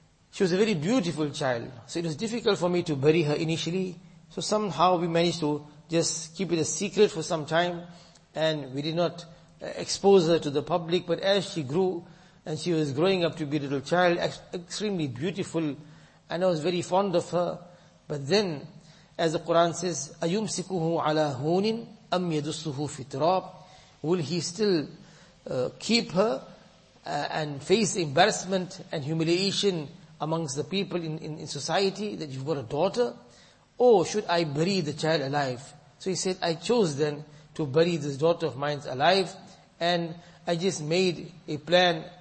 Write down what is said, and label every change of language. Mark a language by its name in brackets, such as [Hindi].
[English] she was a very beautiful child, so it was difficult for me to bury her initially, so somehow we managed to just keep it a secret for some time, and we did not expose her to the public, but as she grew, and she was growing up to be a little child, extremely beautiful, and I was very fond of her. But then, as the Quran says, [Arabic] أَيُمْسِكُهُ عَلَىٰ هُونٍ أَمْ يَدُسُّهُ فِي تُرَابٍ. [English] Will he still keep her and face embarrassment and humiliation amongst the people in society that you've got a daughter? Or should I bury the child alive? So he said, I chose then to bury this daughter of mine alive, and I just made a plan.